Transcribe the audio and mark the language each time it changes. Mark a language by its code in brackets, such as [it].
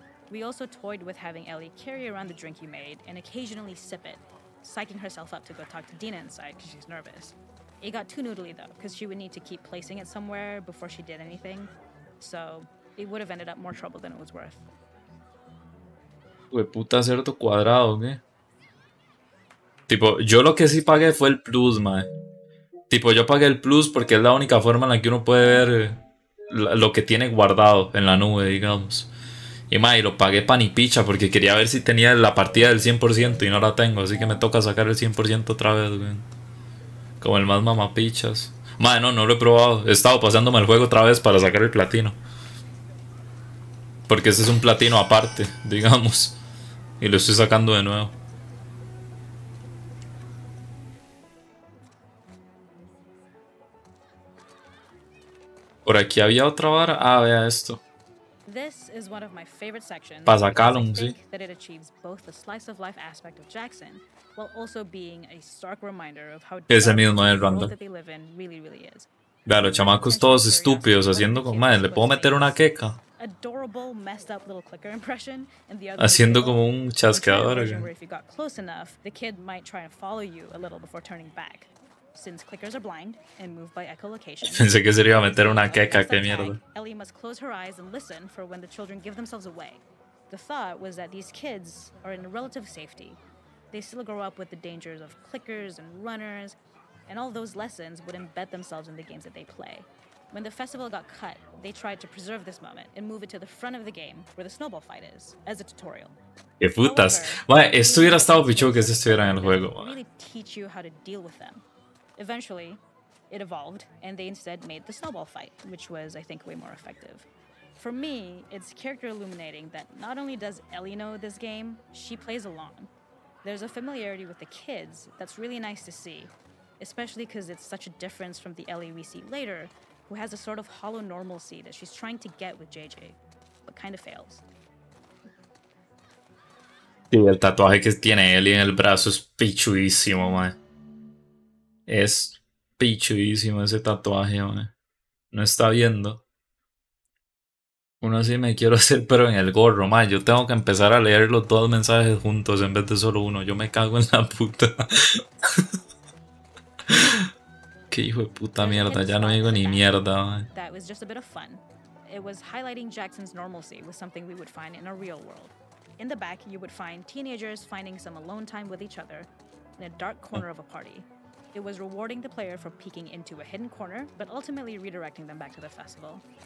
[en] We also toyed with having Ellie carry around the drink you made and occasionally sip it, psyching herself up to go talk to Dina inside because she's nervous. It got too noodly though, because she would need to keep placing it somewhere before she did anything. So it would have ended up more trouble than it was worth. [es] De puta cerdo cuadrado, ¿qué? Tipo, yo lo que sí pagué fue el plus, mae. Tipo, yo pagué el plus porque es la única forma en la que uno puede ver lo que tiene guardado en la nube, digamos. Y mae, lo pagué pan y picha porque quería ver si tenía la partida del 100% y no la tengo. Así que me toca sacar el 100% otra vez, güey. Como el más mamapichas. Mae, no lo he probado. He estado pasándome el juego otra vez para sacar el platino. Porque ese es un platino aparte, digamos. Y lo estoy sacando de nuevo. Por aquí había otra vara. Ah, vea esto. [en] This is one of my favorite sections. [es] Pasa Calum, sí. [en] That it achieves both the slice of life aspect of Jackson, while also being a stark reminder of how dark the world that they live in really, really is. [es] Vea, los chamacos todos estúpidos haciendo con madre. ¿Le puedo meter una queca? [en] Adorable messed up little clicker impression and the other [es] haciendo como un chasqueador. [en] If you got close enough, the kid might try and follow you a little before turning back. Since clickers are blind and move by echolocation. [es] Pensé que se iba a meter una queca, qué mierda. [en] Ellie must close her eyes and listen for when the children give themselves away. The thought was that these kids are in relative safety. They still grow up with the dangers of clickers and runners, and all those lessons would embed themselves in the games that they play. When the festival got cut, they tried to preserve this moment and move it to the front of the game where the snowball fight is as a tutorial. [es] ¡Qué putas! Mae, esto hubiera estado pichu que esto estuviera en el juego, mae. [en] Really teach you how to deal with them. Eventually, it evolved and they instead made the snowball fight, which was, I think, way more effective. For me, it's character illuminating that not only does Ellie know this game, she plays along. There's a familiarity with the kids that's really nice to see, especially because it's such a difference from the Ellie we see later, who has a sort of hollow normalcy that she's trying to get with JJ, but kind of fails. [es] Y el tatuaje que tiene Ellie en el brazo es pichuísimo, man. Es pichuísimo ese tatuaje, man. No está viendo. Uno sí me quiero hacer, pero en el gorro, man. Yo tengo que empezar a leer los dos mensajes juntos en vez de solo uno. Yo me cago en la puta. Qué hijo de puta mierda, ya no digo ni mierda, man. [en] That was just a bit of fun. it was highlighting Jackson's normalcy with something we would find in a real world. In the back, you would find teenagers finding some alone time with each other in a dark corner of a party. It was rewarding the player for peeking into a hidden corner, but ultimately redirecting them back to the festival.